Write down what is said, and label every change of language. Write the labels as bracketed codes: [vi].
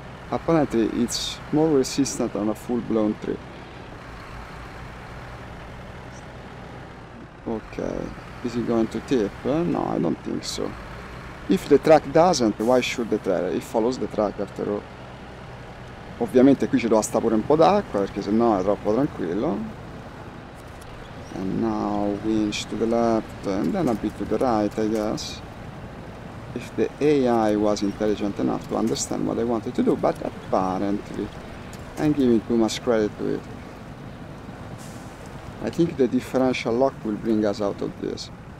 [en] Apparently, it's more resistant than a full-blown tree. Okay. Is it going to tip? No, I don't think so. If the track doesn't, why should the tire? It follows the track after all. [it] Ovviamente qui ci dovrà stare pure un po' d'acqua perché sennò è troppo tranquillo. [en] And now winch to the left and then a bit to the right, I guess. If the AI was intelligent enough to understand what I wanted to do, but apparently I'm giving too much credit to it. I think the differential lock will bring us out of this.